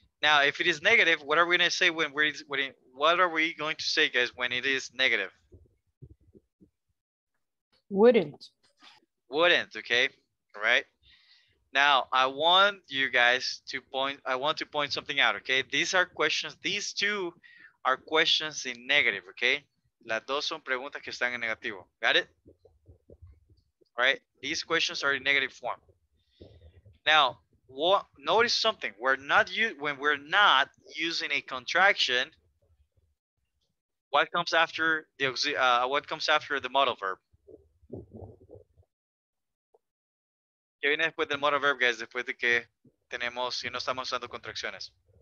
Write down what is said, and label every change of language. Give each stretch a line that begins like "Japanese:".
English: Now, if it is negative, what are we gonna say what are we going to say, guys, when it is negative? Wouldn't, okay? All right. Now, I want you guys to point something out, okay? These two are questions in negative, okay?
Spanish: Las dos son preguntas que están en negativo.
English: Got it? All right. These questions are in negative form. Now, notice something. When we're not using a contraction, what comes after the modal verb?
Spanish: ¿Qué viene después del modal verb, guys? Después de que tenemos, si no estamos usando contracciones.